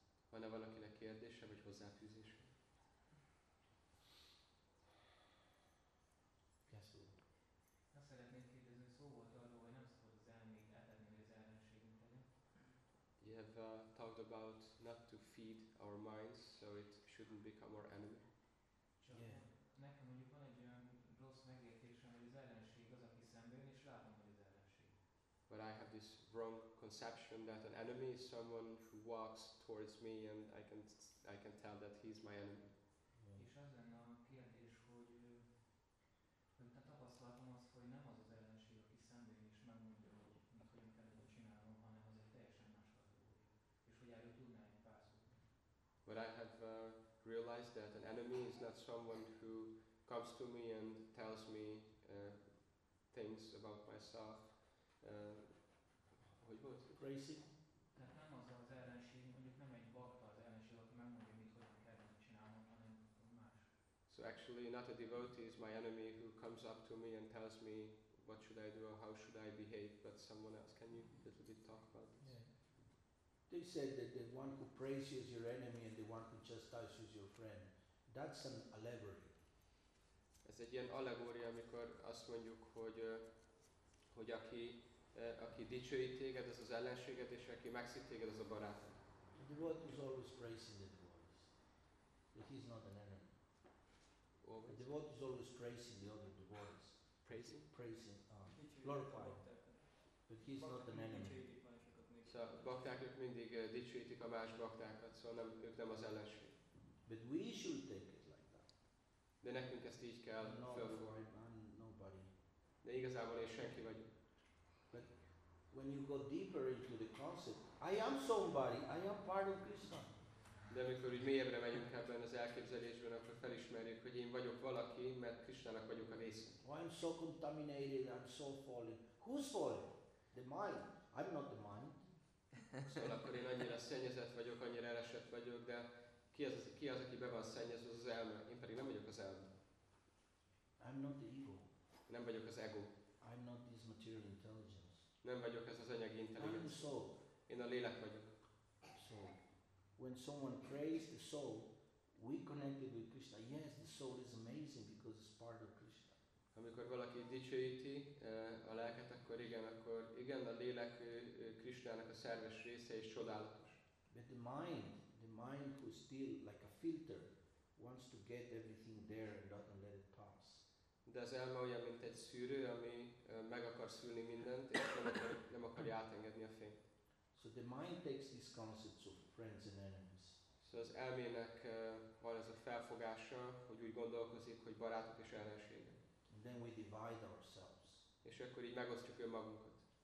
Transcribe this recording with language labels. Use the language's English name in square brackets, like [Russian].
[Hungarian] Van-e valakinek kérdése, vagy hozzáfűzése? Köszönöm. Azt szeretném kérdezni, hogy szó volt arról, hogy nem szabad az elmét eltenni, hogy az ellenségünk legyen. [English] You have talked about not to feed our minds, so it shouldn't become our enemy. [Hungarian] Csak nekem mondjuk van egy olyan rossz megértésem, hogy az ellenség az, aki szemben, és látom, hogy az ellenség. [English] But I have this wrong conception that an enemy is someone who walks towards me and I can tell that he's my enemy. [Hungarian] És az lenne a kérdés, hogy te tapasztaltam azt, hogy nem az az ellenség, aki szemben is megmondja, hogy hogyan kellene csinálnom, hanem az egy teljesen más valóság. És hogy erről tudnál egy pár szót. [English] But I have realized that an enemy is not someone who comes to me and tells me things about myself. [Hungarian] Hogy volt? [English] Racing. [Hungarian] Tehát nem az az ellenség, mondjuk nem egy bakta az ellenség, aki megmondja, mit hogyan kellene csinálnom, hanem más. [English] So actually not a devotee is my enemy who comes up to me and tells me what should I do or how should I behave, but someone else. Can you a little bit talk about this? Yeah. They said that the one who praises you is your enemy and the one who chastises you is your friend. That's an allegory. [Hungarian] Ez egy ilyen allegória, amikor azt mondjuk, hogy aki dicsőít téged, ez az ellenséged, és aki megszít téged, az a barátod. [English] The devotee is always praising the devotees. But he's not an enemy. Always. The devotee is always praising the other devotees. Praising? Praising. Glorifying. But he's not an enemy. [Hungarian] So, bakták, ők mindig dicsőítik a más baktákat, szóval nem, ők nem az ellenség. [English] But we should take it like that. [Hungarian] De nekünk ezt így kell fölfogni. [English] Nobody. [Hungarian] De igazából én senki vagyok. [English] But when you go deeper into the concept, I am somebody, I am part of Krishna. [Hungarian] De amikor így mélyebbre megyünk ebben az elképzelésben, akkor felismerjük, hogy én vagyok valaki, mert Krishnának vagyok a része. [English] I am so contaminated, I am so fallen. Who's fallen? The mind. I'm not the mind. [Hungarian] Szóval akkor én annyira szennyezett vagyok, annyira elesett vagyok, de ki az, aki be van szennyezve, az az elme. Én pedig nem vagyok az elme. [English] I'm not the ego. [Hungarian] Nem vagyok az ego. [English] I'm not this material intelligence. [Hungarian] Nem vagyok ez az anyagi intelligencia. [English] I'm the soul. [Hungarian] Én a lélek vagyok. [English] So, when someone prays the soul, we connected with Krishna. Yes, the soul is amazing because it's part of Krishna. [Hungarian] Amikor valaki dicsőíti a lelket, akkor igen, a lélek Krishnának a szerves része és csodálatos. [English] But the mind who is still like a filter, wants to get everything there and not let it pass. [Hungarian] De az elme olyan, mint egy szűrő, ami meg akar szűrni mindent, és nem akarja átengedni a fényt. [English] So the mind takes these concepts of friends and enemies. [Hungarian] Szóval az elmének van ez a felfogása, hogy úgy gondolkozik, hogy barátok és ellenségek. [English] And then we divide ourselves. [Hungarian] És akkor így megosztjuk önmagunkat.